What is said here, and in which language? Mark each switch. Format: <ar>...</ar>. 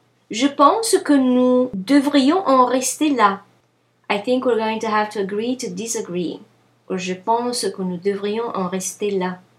<fr>Je pense que nous devrions en rester là.</fr> <en>I think we're going to have to agree to disagree.</en> <fr>Or je pense que nous devrions en rester là.</fr>